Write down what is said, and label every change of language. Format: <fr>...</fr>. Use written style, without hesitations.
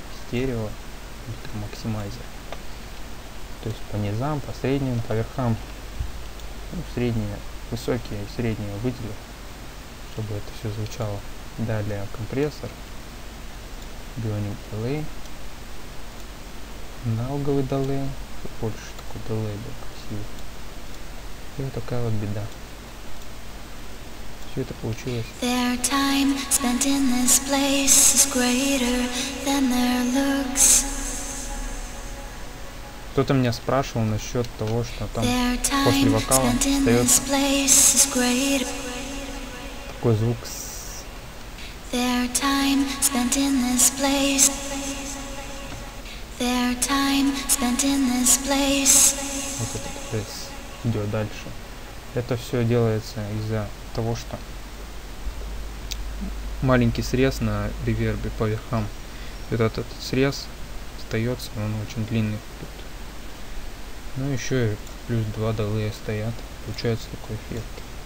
<ru>Дерево, ультрамаксимайзер, то есть по низам, по средним, по верхам, ну, средние, высокие и средние выделил, чтобы это все звучало. Далее компрессор, бионик делей, аналоговый делей, больше такой делей был красивый. И вот такая вот беда. Все это получилось.</ru> <en>Their time spent in this place is greater than their looks.</en> <ru>Кто-то меня спрашивал насчет того, что там после вокала остается такой звук.</ru> <en>Their time spent in this place. Their time. time spent in this place.</en> <ru>Вот этот S идет дальше. Это все делается из-за того, что маленький срез на ревербе по верхам. Вот этот срез остается, он очень длинный тут. Ну еще и плюс два долея стоят. Получается такой эффект.</ru>